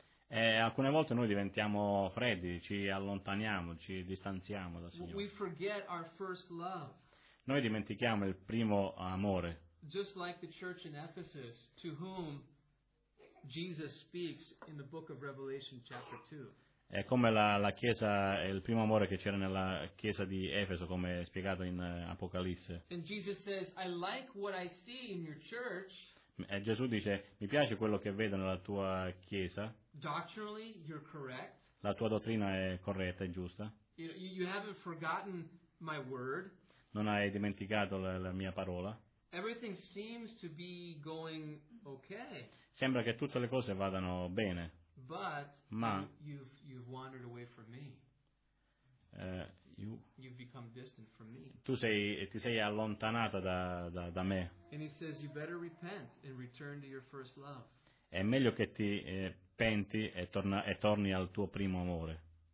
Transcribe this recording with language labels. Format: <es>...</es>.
<it>E alcune volte noi diventiamo freddi, ci allontaniamo, ci distanziamo dal Signore.</it> <en>We forget our first love.</en> <it>Noi dimentichiamo il primo amore.</it> <en>Just like the church in Ephesus, to whom Jesus speaks in the book of Revelation chapter 2.</en> <it>È come la chiesa, il primo amore che c'era nella chiesa di Efeso, come spiegato in Apocalisse.</it> <en>And Jesus says, I like what I see in your church.</en> <it>E Gesù dice, mi piace quello che vedo nella tua chiesa.</it> <en>Doctrinally, you're correct.</en> <it>La tua dottrina è corretta e giusta.</it> <en>You haven't forgotten my word.</en> <it>Non hai dimenticato la mia parola.</it> <en>Everything seems to be going okay.</en> <it>Sembra che tutte le cose vadano bene.</it> <en>But</en> <it>ma</it> <en>you've wandered away from me. You've become distant from me.</en> <it>Ti sei allontanata da me.</it> <en>And he says you better repent and return to your first love.</en> <it>È meglio che ti penti e torni al tuo primo amore.</it>